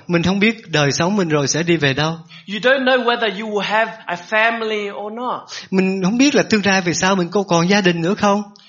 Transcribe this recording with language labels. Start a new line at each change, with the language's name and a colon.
Vietnamese: Mình không biết đời sống mình rồi sẽ đi về đâu.
English: You don't know whether you will have a family or not.
Vietnamese: Mình không biết là tương lai về sau mình có còn gia đình nữa không.